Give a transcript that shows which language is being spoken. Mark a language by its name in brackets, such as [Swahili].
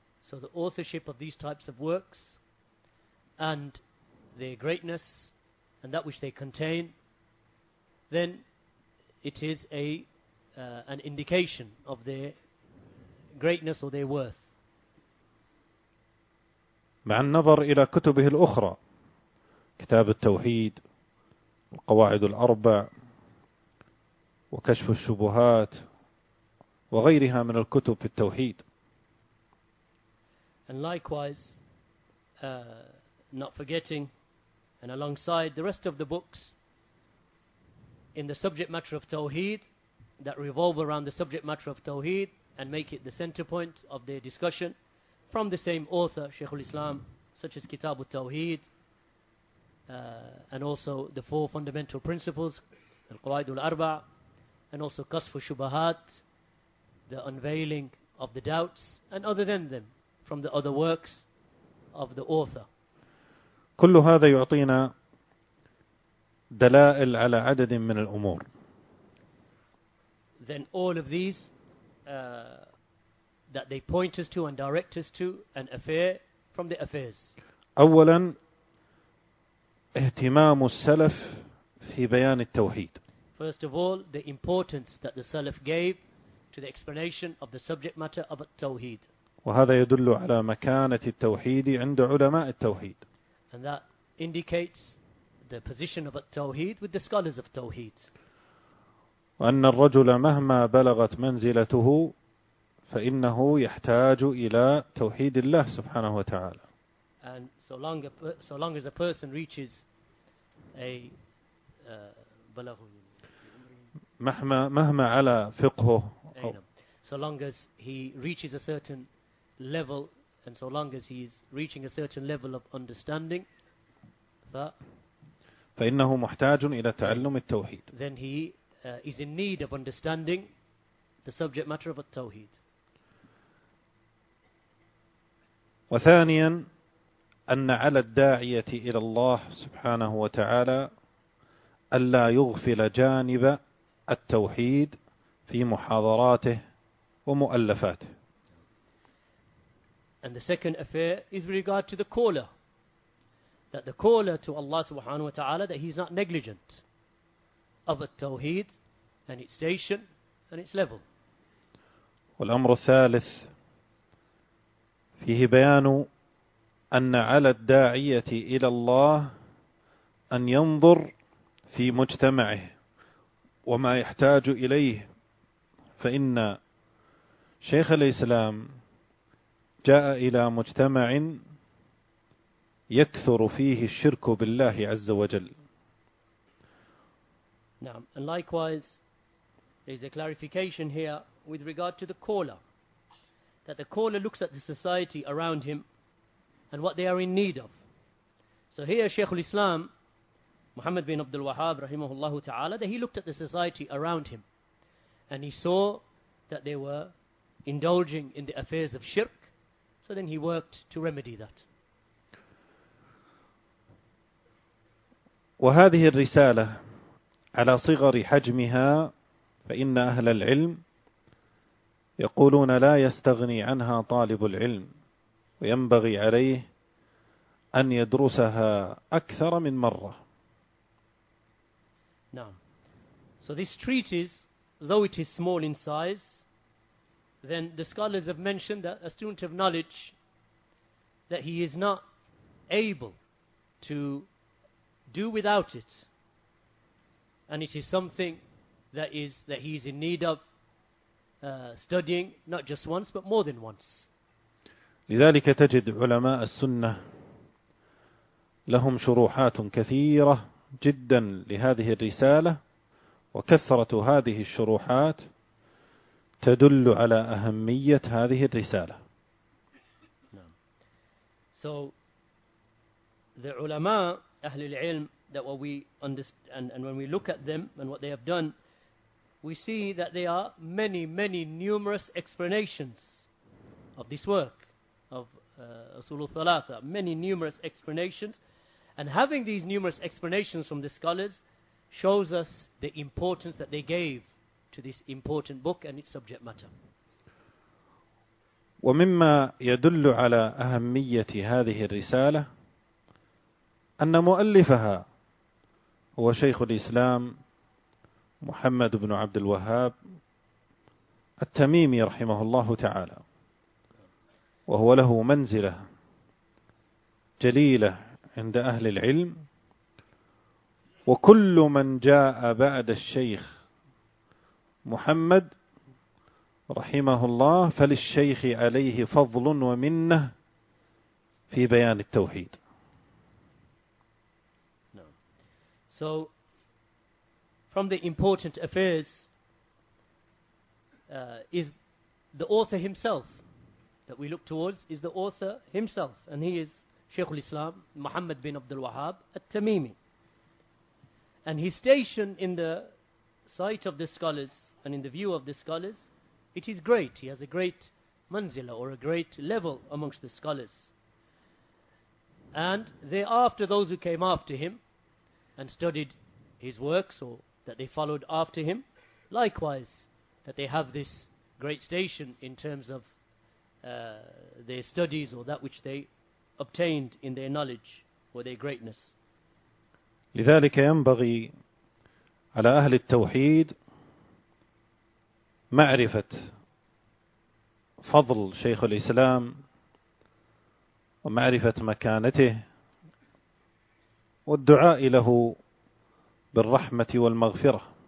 [English] So the authorship of these types of works and their greatness and that which they contain, then it is an indication of their greatness or their worth. [Arabic] مع النظر إلى كتبه الأخرى، كتاب التوحيد والقواعد الأربع وكشف الشبهات وغيرها من الكتب في التوحيد. [English] And likewise, not forgetting, and alongside the rest of the books in the subject matter of Tawheed that revolve around the subject matter of Tawheed and make it the center point of their discussion, from the same author, Shaykh al-Islam, such as Kitab al-Tawheed, and also the four fundamental principles, Al-Qawaid al-Arba', and also Kasf al-Shubahat, the unveiling of the doubts and other than them from the other works of the author. [Arabic] كل هذا يعطينا دلائل على عدد من الأمور. [English] Then all of these that they point us to and direct us to an affair from the affairs. [Arabic] أولا اهتمام السلف في بيان التوحيد. [English] First of all, the importance that the Salaf gave to the explanation of the subject matter of التوحيد. [Arabic] وهذا يدل على مكانة التوحيد عند علماء التوحيد. [English] And that indicates the position of التوحيد with the scholars of التوحيد. [Arabic] وأن الرجل مهما بلغت منزلته فإنه يحتاج إلى توحيد الله سبحانه وتعالى. [English] And so long as a person reaches a [Arabic] بلغه مهما على فقهه. [English] So long as he reaches a certain level, and so long as he is reaching a certain level of understanding, [Arabic] فإنه محتاج إلى تعلم التوحيد. [English] Then he is in need of understanding the subject matter of التوحيد. [Arabic] وثانيا أن على الداعية إلى الله سبحانه وتعالى ألا يغفل جانب التوحيد في محاضراته ومؤلفاته. [English] And the second affair is with regard to the caller. That the caller to Allah subhanahu wa ta'ala, that he's not negligent of التوحيد and its station and its level. [Arabic] والأمر الثالث فيه بيان أن على الداعية إلى الله أن ينظر في مجتمعه وما يحتاج إليه، فإن شيخ الإسلام جاء إلى مجتمع يكثر فيه الشرك بالله عز وجل. نعم. [English] And likewise, there is a clarification here with regard to the caller, that the caller looks at the society around him and what they are in need of. So here, Shaykh al-Islam, Muhammad bin Abdul Wahhab, rahimahullah ta'ala, that he looked at the society around him and he saw that they were indulging in the affairs of shirk. So then he worked to remedy that. [Arabic] وهذه الرسالة على صغر حجمها فإن أهل العلم يقولون لا يستغني عنها طالب العلم، وينبغي عليه أن يدرسها أكثر من مرة. نعم. [English] So this treatise, though it is small in size, then the scholars have mentioned that a student of knowledge, that he is not able to do without it, and it is something that he is in need of studying not just once but more than once. [Arabic] لذلك تجد علماء السنة لهم شروحات كثيرة جدا لهذه الرسالة، وكثرة هذه الشروحات تدل على أهمية هذه الرسالة. [English] So the ulama, [Arabic] أهل العلم, [English] that what we understand, and when we look at them and what they have done, we see that there are many, many numerous explanations of this work of Usulul Thalatha, many numerous explanations. And having these numerous explanations from the scholars shows us the importance that they gave to this important book and its subject matter. [Arabic] ومما يدل على أهمية هذه الرسالة أن مؤلفها هو شيخ الإسلام محمد بن عبد الوهاب التميمي رحمه الله تعالى، وهو له منزلة جليلة عند أهل العلم، وكل من جاء بعد الشيخ محمد رحمه الله فللشيخ عليه فضل ومنه في بيان التوحيد. [English] So, from the important affairs is the author himself, that we look towards is the author himself, and he is Shaykh al-Islam Muhammad bin Abdul Wahhab al-Tamimi. And his station in the sight of the scholars and in the view of the scholars It is great. He has a great manzila or a great level amongst the scholars. And thereafter, those who came after him and studied his works, or that they followed after him, likewise, that they have this great station in terms of their studies or that which they obtained in their knowledge or their greatness. [Arabic] لذلك ينبغي على أهل التوحيد معرفة فضل شيخ الإسلام ومعرفة مكانته والدعاء له بالرحمة والمغفرة.